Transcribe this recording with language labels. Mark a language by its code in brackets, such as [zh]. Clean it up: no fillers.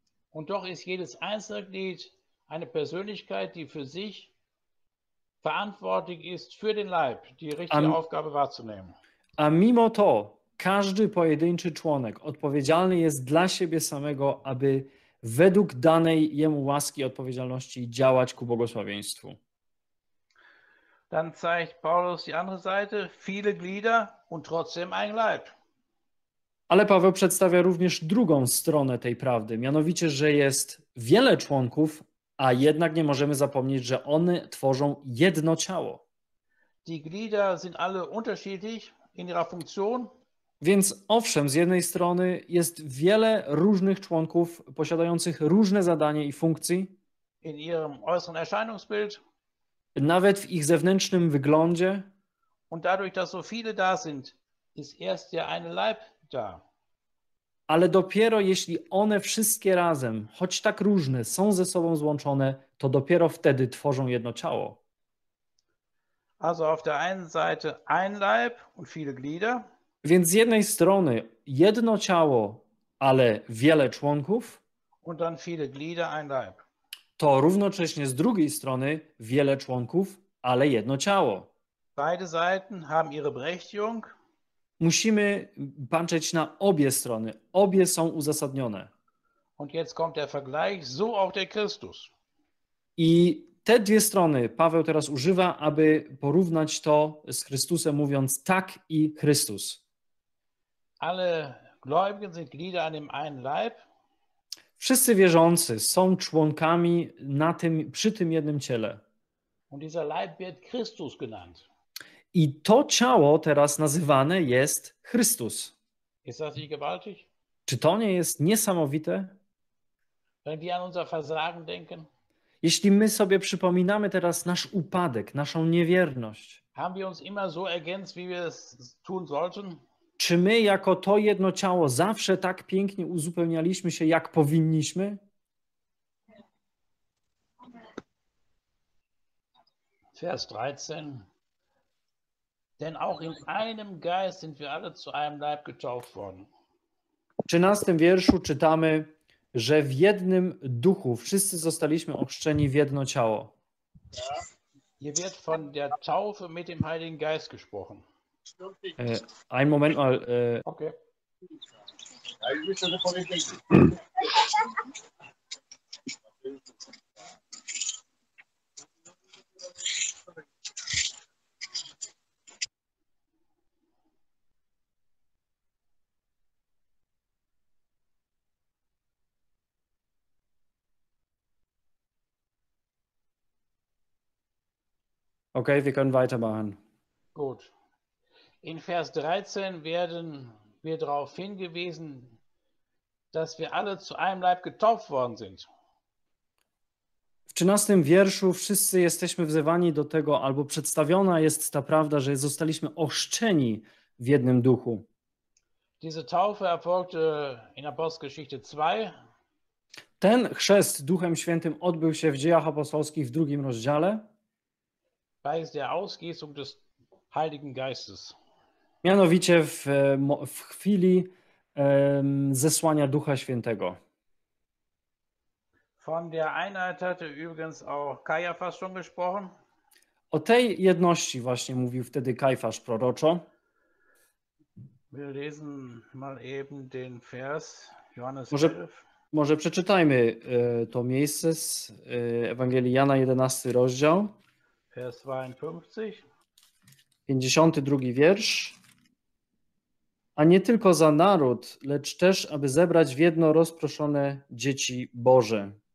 [de] Und doch ist jedes einzelne Glied eine Persönlichkeit, die für sich verantwortlich ist für den Leib, die richtige Aufgabe wahrzunehmen. [pl] A mimo to, każdy pojedynczy członek odpowiedzialny jest dla siebie samego, aby według danej jemu łaski i odpowiedzialności działać ku błogosławieństwu. [de] Dann zeigt Paulus die andere Seite, viele Glieder und trotzdem ein Leib. [pl] Ale Paweł przedstawia również drugą stronę tej prawdy, mianowicie, że jest wiele członków, a jednak nie możemy zapomnieć, że one tworzą jedno ciało. [de] Die Glieder sind alle unterschiedlich in ihrer Funktion. [pl] Więc owszem, z jednej strony jest wiele różnych członków posiadających różne zadanie i funkcje. [de] In ihrem äußeren Erscheinungsbild. [pl] Nawet w ich zewnętrznym wyglądzie. [de] Und dadurch, dass so viele da sind, ist erst ja ein Leib da. [pl] Ale dopiero jeśli one wszystkie razem, choć tak różne, są ze sobą złączone, to dopiero wtedy tworzą jedno ciało. [de] Also auf der einen Seite ein Leib und viele Glieder. [pl] Więc z jednej strony jedno ciało, ale wiele członków. [de] Und dann viele Glieder, ein Leib. [pl] To równocześnie z drugiej strony wiele członków, ale jedno ciało. [de] Beide Seiten haben ihre Berechtigung. [pl] Musimy patrzeć na obie strony. Obie są uzasadnione. [de] Und jetzt kommt der Vergleich, so auch der Christus. [pl] I te dwie strony Paweł teraz używa, aby porównać to z Chrystusem, mówiąc tak i Chrystus. [de] Alle Gläubigen sind Glieder an dem einen Leib. [pl] Wszyscy wierzący są członkami przy tym jednym ciele. [de] Und dieser Leib wird Christus genannt. [pl] I to ciało teraz nazywane jest Chrystus. [de] Ist das nicht gewaltig? [pl] Czy to nie jest niesamowite? [de] Wenn wir an unser Versagen denken, [pl] jeśli my sobie przypominamy teraz nasz upadek, naszą niewierność, [de] haben wir uns immer so ergänzt, wie wir es tun sollten? [pl] Czy my jako to jedno ciało zawsze tak pięknie uzupełnialiśmy się, jak powinniśmy? [de] Vers 13. Denn auch in einem Geist sind wir alle zu einem Leib getauft worden. [pl] W 13. wierszu czytamy, że w jednym duchu wszyscy zostaliśmy ochrzczeni w jedno ciało. [de] Ja. Hier wird von der Taufe mit dem Heiligen Geist gesprochen. Ein Moment mal. Okay. Okay, wir können weitermachen. Gut. In Vers 13 werden wir darauf hingewiesen, dass wir alle zu einem Leib getauft worden sind. [pl] W 13 wierszu wszyscy jesteśmy wzywani do tego, albo przedstawiona jest ta prawda, że zostaliśmy ochrzczeni w jednym duchu. [de] Diese Taufe erfolgte in Apostelgeschichte 2. [pl] Ten chrzest Duchem Świętym odbył się w Dziejach Apostolskich w 2 rozdziale. [de] Bei der Ausgießung des Heiligen Geistes. [pl] Mianowicie w chwili zesłania Ducha Świętego. [de] Von der Einheit hatte übrigens auch Kajafas schon gesprochen. [pl] O tej jedności właśnie mówił wtedy Kajfasz proroczo. [de] Wir lesen mal eben den Vers Johannes 11. [pl] Może przeczytajmy to miejsce z Ewangelii Jana, 11 rozdział. [de] Vers 52. [pl] 52 wiersz. A nie tylko za naród, lecz też, aby zebrać w jedno rozproszone dzieci Boże.